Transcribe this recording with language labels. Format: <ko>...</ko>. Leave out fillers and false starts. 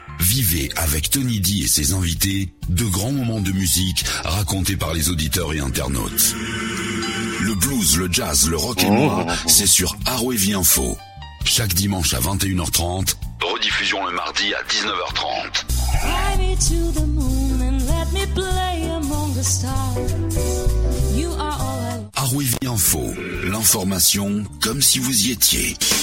<fr>Vivez avec Tony D et ses invités de grands moments de musique racontés par les auditeurs et internautes. Le blues, le jazz, le rock et moi, c'est sur Arwevi Info. Chaque dimanche à 21h30, rediffusion le mardi à 19h30.</fr> <en>Fly me to the moon and let me play among the stars.</en> <fr>Arwevi Info, l'information comme si vous y étiez.</fr>